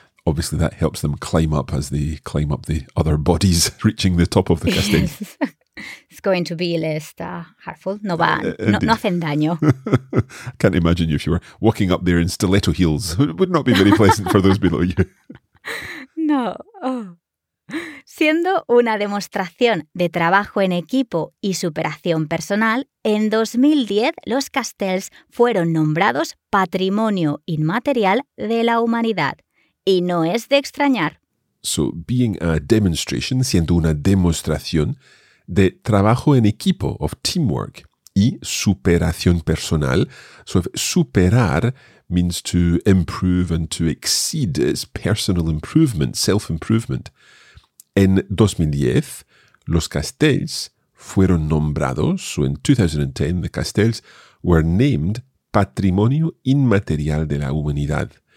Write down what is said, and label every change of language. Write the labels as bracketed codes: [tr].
[en] Obviously, that helps them climb up as they climb up the other bodies reaching the top of the castell. Yes. It's going to be less harmful. [es] No, va, no hacen daño. [en] I can't imagine you if you were walking up there in stiletto heels. It would not be very pleasant for those below you. No. Oh. [es] Siendo una demostración de trabajo en equipo y superación personal, en 2010 los castells fueron nombrados Patrimonio Inmaterial de la Humanidad. Y no es de extrañar. [en] So, being a demonstration, [es] siendo una demostración de trabajo en equipo, [en] of teamwork, [es] y superación personal. [en] So, if superar means to improve and to exceed, it's personal improvement, self-improvement. [es] En 2010, los castells fueron nombrados, [en] so in 2010, the castells were named [es] Patrimonio Inmaterial de la Humanidad.